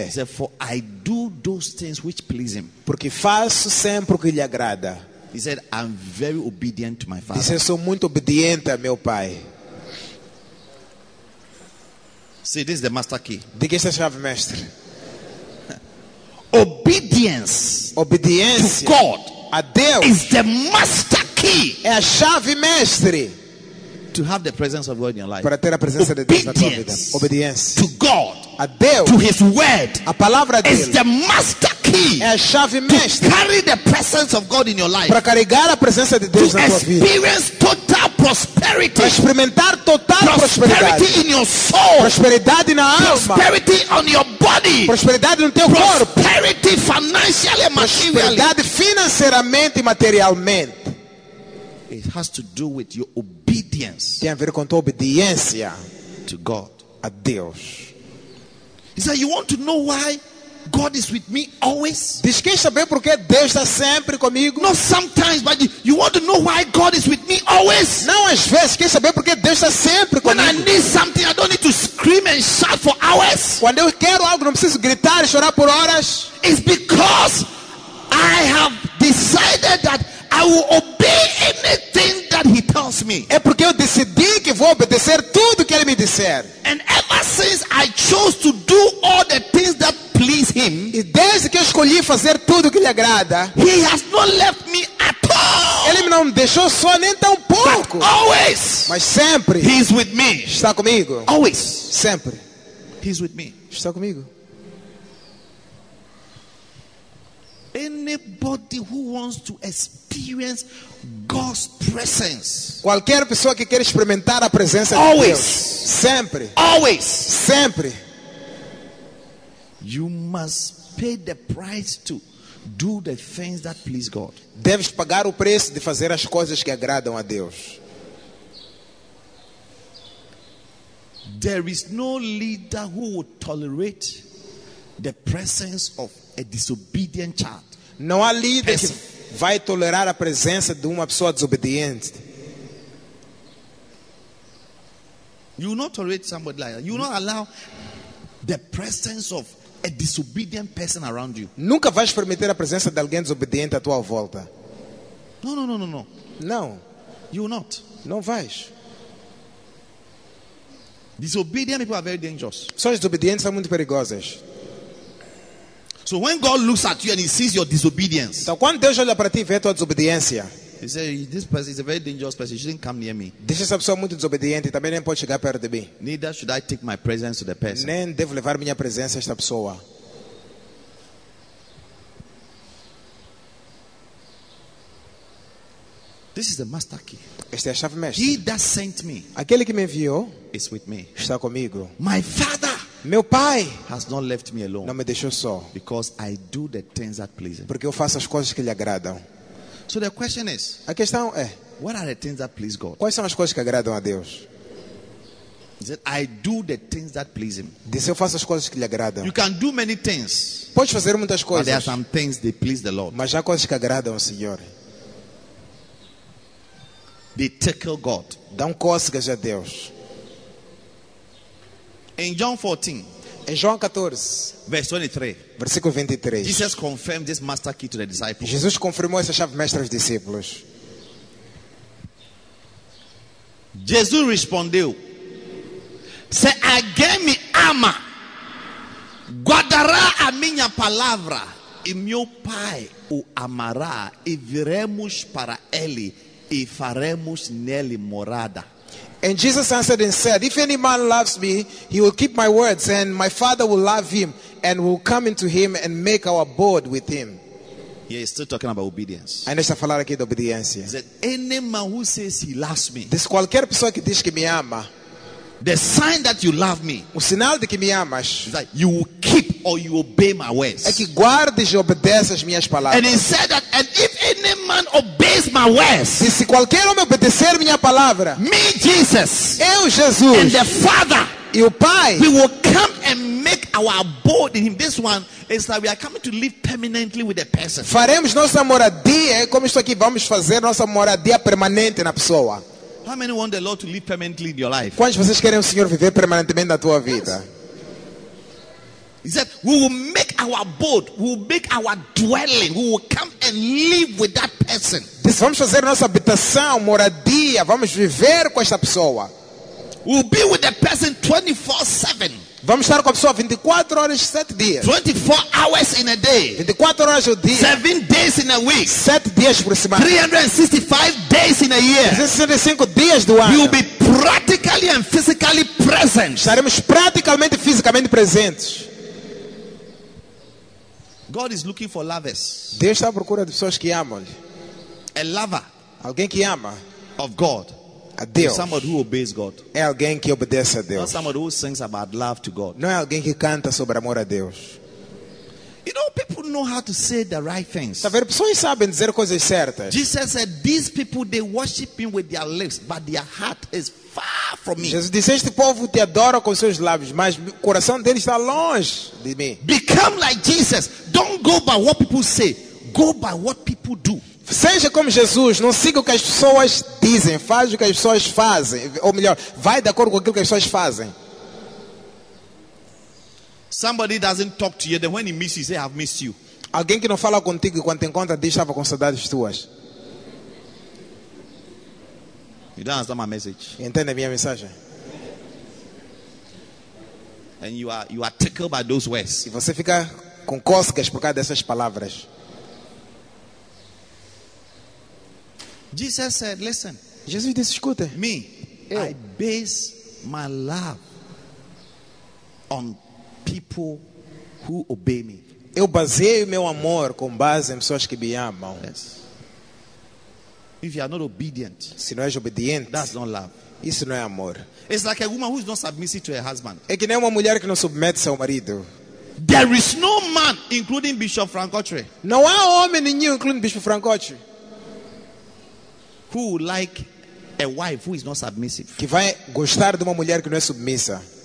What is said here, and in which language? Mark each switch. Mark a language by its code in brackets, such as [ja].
[en] He said, "For I do those things which please him." [pt] Porque faço sempre o que lhe agrada. [en] He said, "I'm very obedient to my Father." [pt] Diz, eu sou muito obediente a meu Pai. [en] See, this is the master key. [pt] Diga, esta é a chave mestre. [en] Obedience to God, [pt] a Deus, [en] is the master key. [pt] É a chave mestre. [en] To have the presence of God in your life. [pt] Para ter a presença de Deus na tua vida. [en] Obedience to God. [pt] A Deus. [en] To His word. [pt] A palavra dele. [en] Is the master key. [pt] É a chave mestre. [en] To carry the presence of God in your life. [pt] Para carregar a presença de Deus [en] to [pt] na tua vida. [en] Experience total prosperity. [pt] Para experimentar total [en] prosperity in your soul. [pt] Prosperidade na alma. [en] Prosperity on your body. [pt] Prosperidade no teu [en] prosperity [pt] corpo. [en] Prosperity financially and materially. [pt] Prosperidade financeiramente e materialmente. [en] It has to do with your obedience. [pt] Tem a ver com tua obediência [en] to God, [pt] a Deus. [en] He said, "You want to know why God is with me always?" [pt] Diz, quer saber porque Deus está sempre comigo? [en] Not sometimes, but you want to know why God is with me always? [pt] Não às vezes, quer saber porque Deus está sempre comigo? [en] When I need something, I don't need to scream and shout for hours. [pt] Quando eu quero algo, não preciso gritar e chorar por horas. [en] It's because I have decided that I will obey anything that He tells me. [pt] É porque eu decidi que vou obedecer tudo que Ele me disser. [en] And ever since I chose to do all the things that please Him, [pt] e desde que eu escolhi fazer tudo que lhe agrada, [en] He has not left me at all. [pt] Ele não me deixou só nem tão pouco. [en] But always, [pt] mas sempre, [en] He is with me. [pt] Está comigo. [en] Always, [pt] sempre, [en] He is with me. [pt] Está comigo. [en] Anybody who wants to experience God's presence, [pt] qualquer pessoa que quer experimentar a presença [en] always, [pt] de Deus, sempre, [en] always, [pt] sempre, [en] you must pay the price to do the things that please God. [pt] Deves pagar o preço de fazer as coisas que agradam a Deus. [en] There is no leader who would tolerate the presence of a disobedient child. [pt] Não há líder que vai tolerar a presença de uma pessoa desobediente. [en] You will not tolerate somebody like that. You will not allow the presence of a disobedient person around you. [pt] Nunca vais permitir a presença de alguém desobediente à tua volta. [en] No. [pt] Não. [en] You will not. [pt] Não vais. [en] Disobedient people are very dangerous. [pt] Só as desobedientes são muito perigosas. [en] So when God looks at you and He sees your disobedience, [pt] então quando Deus olha para ti e vê tua desobediência, [en] He says, "This person is a very dangerous person. She didn't come near me." [pt] Diz, essa pessoa é muito desobediente, também nem pode chegar perto de mim. [en] Neither should I take my presence to the person. [pt] Nem devo levar minha presença a esta pessoa. [en] This is the master key. [pt] Esta é a chave mestre. [en] He that sent me. [pt] Aquele que me enviou [en] is with me. [pt] Está comigo. [en] My Father. [pt] Meu Pai [en] has not left me alone. [pt] Não me deixou só. [en] Because I do the things that please Him. [pt] Porque eu faço as coisas que lhe agradam. [en] So the question is, [pt] a questão é, [en] what are the things that please God? [pt] Quais são as coisas que agradam a Deus? [en] He said, "I do the things that please Him." [pt] Diz, eu faço as coisas que lhe agradam. [en] You can do many things. [pt] Pode fazer muitas coisas. [en] But there are some things that please the Lord. [pt] Mas há coisas que agradam ao Senhor. [en] They tickle God. [pt] Dão cócegas a Deus. [en] In John 14. [pt] Em João 14, [en] verse 23, [pt] versículo 23, [en] Jesus confirmed this master key to the disciples. [pt] Jesus confirmou essa chave mestra aos discípulos. Jesus respondeu: Se alguém me ama, guardará a minha palavra, e meu Pai o amará, e viremos para ele, e faremos nele morada. [en] And Jesus answered and said, If any man loves me, he will keep my words, and my Father will love him, and will come into him and make our abode with him. Yeah, he's still talking about obedience. [pt] Ainda está falando aqui de obediência. [en] He said, Any man who says he loves me, [pt] this qualquer pessoa que diz que me ama, [en] the sign that you love me, [pt] o sinal de que me amas, [en] is that you will keep or you obey my words. [pt] É que guardes e obedeces as minhas palavras. [en] And he said that, and if any man obeys my words, [pt] e se qualquer homem obedecer minha palavra, [en] me, Jesus, [pt] eu, Jesus, [en] and the Father, [pt] e o Pai, [en] we will come and make our abode in him. This one is that we are coming to live permanently with a person. [pt] Faremos nossa moradia, como estou aqui, vamos fazer nossa moradia permanente na pessoa. [en] How many want the Lord to live permanently in your life? [pt] Quantos vocês querem o Senhor viver permanentemente na tua vida? [en] He said, we will make our abode, we will make our dwelling, we will come and live with that person. [pt] Diz, vamos fazer nossa habitação, moradia, vamos viver com esta pessoa. [en] We'll be with the person 24/7. [pt] Vamos estar com a pessoa 24 horas, 7 dias. [en] 24 hours in a day. [pt] 24 horas ao dia. [en] 7 days in a week. [pt] 7 dias por semana. [en] 365 days in a year. [pt] 365 dias do ano. [en] You will be practically and physically present. [pt] Estaremos praticamente e fisicamente presentes. [en] God is looking for lovers. [pt] Deus está à procura de pessoas que amam. [en] A lover. [pt] Alguém que ama. [en] Of God. [pt] A Deus. [en] Somebody who obeys God. [pt] É alguém que obedece a Deus. [en] Not somebody who sings about love to God. [pt] Não é alguém que canta sobre amor a Deus. [en] You know, people know how to say the right things. [pt] Saber, pessoas sabem dizer coisas certas. [en] Jesus said, "These people they worship me with their lips, but their heart is far from me." [pt] Jesus disse, este povo te adora com seus lábios, mas o coração deles está longe de mim. [en] Become like Jesus. Don't go by what people say. Go by what people do. [pt] Seja como Jesus, não siga o que as pessoas dizem, faz o que as pessoas fazem, ou melhor, vai de acordo com aquilo que as pessoas fazem. [en] Somebody doesn't talk to you, then when he misses you, say, I've missed you. [pt] Alguém que não fala contigo e quando te encontra diz, estava com saudades tuas. [en] You don't understand my message. [pt] Entende a minha mensagem? [en] And you are tickled by those words. [pt] E você fica com cócegas por causa dessas palavras. [en] Jesus said, listen. [pt] Jesus disse, escuta. [en] Me, eu. I base my love on people who obey me. [pt] Eu baseio meu amor com base em pessoas que me amam. [en] Yes. If you are not obedient, [pt] se não és obediente, [en] that's not love. [pt] Isso não é amor. [en] It's like a woman who is not submissive to her husband. [pt] É que nem uma mulher que não submete seu marido. [en] There is no man, including Bishop Frank Autry. [pt] Não há homem nenhum, incluindo Bishop Frank Autry. [en] Who like a wife who is not submissive? [pt] Que vai gostar de uma mulher que não é submissa?